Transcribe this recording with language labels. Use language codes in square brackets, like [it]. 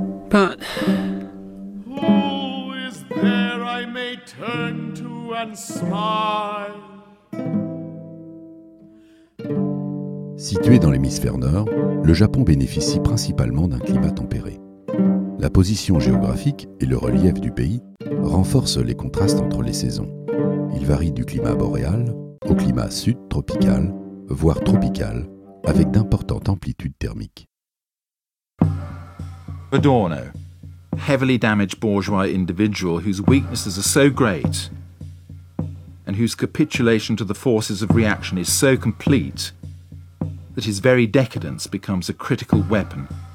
[en] But who is there I may turn to and smile? [fr] Situé dans l'hémisphère nord, le Japon bénéficie principalement d'un climat tempéré. La position géographique et le relief du pays renforcent les contrastes entre les saisons. Il varie du climat boréal au climat sud-tropical, voire tropical, avec d'importantes amplitudes thermiques. [en] Adorno, heavily damaged bourgeois individual whose weaknesses are so great and whose capitulation to the forces of reaction is so complete that his very decadence becomes a critical weapon.